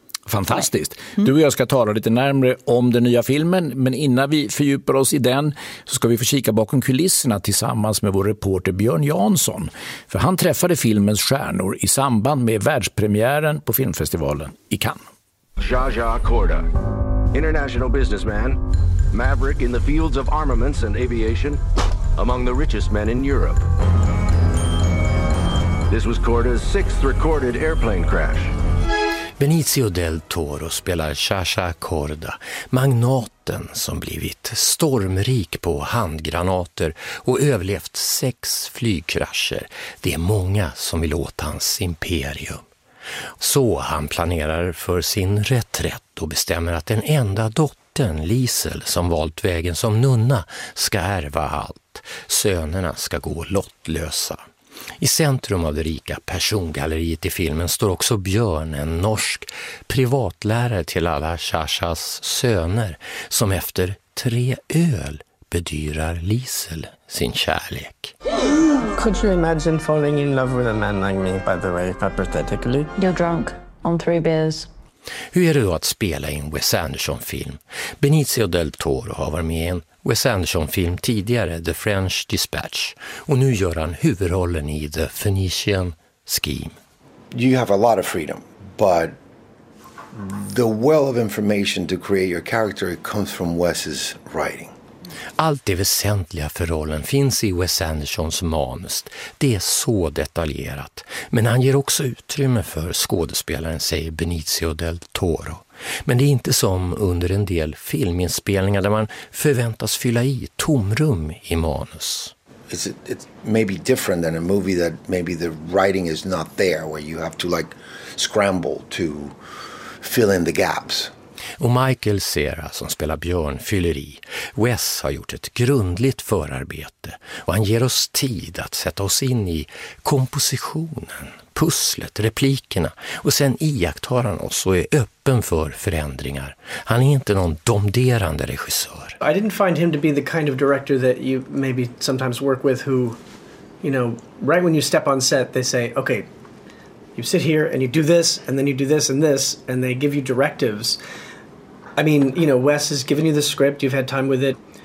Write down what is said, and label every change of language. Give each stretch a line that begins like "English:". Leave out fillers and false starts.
Swedish: Fantastiskt. Du och jag ska tala lite närmare om den nya filmen, men innan vi fördjupar oss i den så ska vi få kika bakom kulisserna tillsammans med vår reporter Björn Jansson. För han träffade filmens stjärnor i samband med världspremiären på filmfestivalen i Cannes.
English: Zsa Zsa Korda, international businessman, maverick in the fields of armaments and aviation, among the richest men in Europe. This was Korda's sixth recorded airplane crash.
Swedish: Benicio del Toro spelar Zsa Zsa Korda, magnaten som blivit stormrik på handgranater och överlevt 6 flygkrascher. Det är många som vill åt hans imperium. Så han planerar för sin reträtt och bestämmer att den enda dottern Liesel, som valt vägen som nunna, ska ärva allt. Sönerna ska gå lottlösa. I centrum av det rika persongalleriet i filmen står också Björn, en norsk privatlärare till alla Shashas söner, som efter 3 öl bedyrar Liesel sin kärlek.
English: Could you imagine falling in love with a man like me, by the way, hypothetically? You're drunk on 3 beers.
Swedish: Hur är det då att spela i en Wes Anderson-film? Benicio del Toro har varit med i en Wes Anderson-film tidigare, The French Dispatch. Och nu gör han huvudrollen i The Phoenician Scheme.
English: You have a lot of freedom, but the well of information to create your character comes from Wes's writing.
Swedish: Allt det väsentliga för rollen finns i Wes Andersons manus. Det är så detaljerat. Men han ger också utrymme för skådespelaren, säger Benicio del Toro. Men det är inte som under en del filminspelningar där man förväntas fylla i tomrum i manus.
English: It may be different than a movie that maybe the writing is not there, where you have to like scramble to fill in the gaps.
Swedish: Och Michael Cera, som spelar Björn, fyller i. Wes har gjort ett grundligt förarbete och han ger oss tid att sätta oss in i kompositionen, pusslet, replikerna. Och sen iakttar han oss och är öppen för förändringar. Han är inte någon domderande regissör.
English: I didn't find him to be the kind of director that you maybe sometimes work with who, you know, right when you step on set they say, okay, you sit here and you do this and then you do this and they give you directives. I mean, you know, Wes has given you the script, you've had time with it.